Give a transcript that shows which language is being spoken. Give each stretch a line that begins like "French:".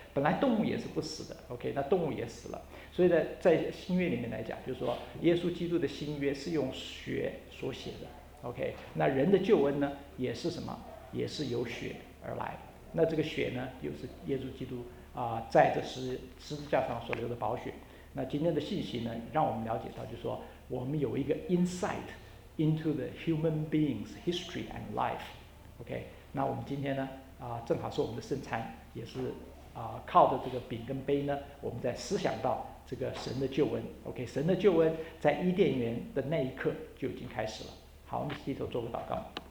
Chinese: 本来动物也是不死的 ，OK， 那动物也死了。所以呢，在新约里面来讲，就是说耶稣基督的新约是用血所写的 ，OK， 那人的救恩呢，也是什么？也是由血而来。那这个血呢，又是耶稣基督在这十字架上所流的宝血。那今天的信息呢，让我们了解到，就是说我们有一个 insight。
English: Into the human being's history and life, OK.
Chinese: 那我们今天呢，正好是我们的圣餐，也是靠着这个饼跟杯呢，我们在思想到这个神的救恩 ，OK. 神的救恩在伊甸园的那一刻就已经开始了。好，我们低头做个祷告。